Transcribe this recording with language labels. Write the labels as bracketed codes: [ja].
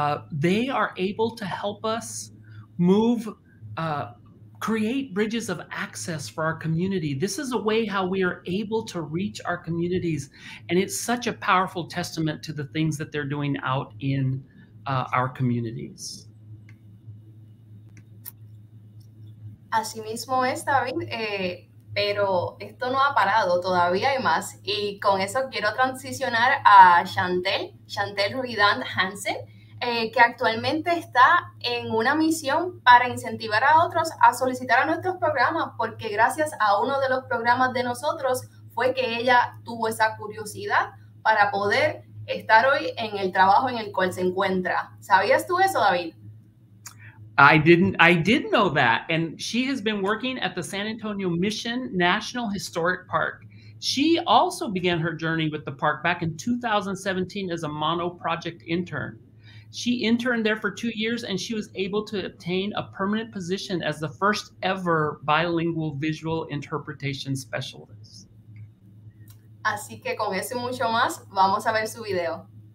[en] They are able to help us move, create bridges of access for our community. This is a way how we are able to reach our communities. And it's such a powerful testament to the things that they're doing out in our communities. [es] Asimismo es, David, pero esto no ha parado, todavía hay más. Y con eso quiero transicionar a Chantel Ruidan Hansen, que actualmente está en una misión para incentivar a otros a solicitar a nuestros programas, porque gracias a uno de los programas de nosotros fue que ella tuvo esa curiosidad para poder estar hoy en el trabajo en el cual se encuentra. ¿Sabías tú eso, David? [en] I did know that. And she has been working at the San Antonio Mission National Historic Park. She also began her journey with the park back in 2017 as a Mono Project intern. She interned there for 2 years and she was able to obtain a permanent position as the first ever bilingual visual interpretation specialist. [es] Así que con eso y mucho más, vamos a ver su video.